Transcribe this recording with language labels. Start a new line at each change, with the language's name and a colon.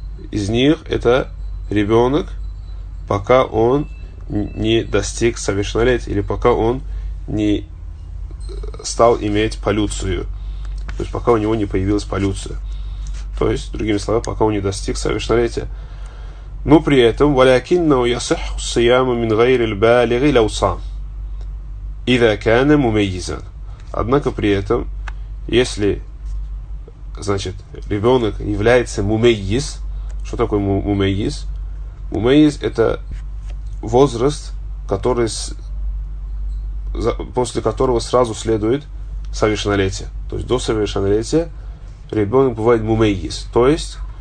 Russian: Из них это ребенок, пока он не достиг совершеннолетия, или пока он не стал иметь полюцию. То есть пока у него не появилась полюция. То есть, другими словами, пока он не достиг совершеннолетия. Но при этом
Arabic: وَلَكِنَّهُ يَصِحُ الصِّيَامُ مِنْ غَيْرِ الْبَالِغِ لَوْصَامُ إِذَا كَانَ مُمَيِّزًا.
Russian: Однако при этом, если, значит, ребенок является мумейиз. Что такое мумейиз? Мумейиз — это возраст, который, после которого сразу следует совершеннолетие. То есть до совершеннолетия ребенок бывает мумейиз. То есть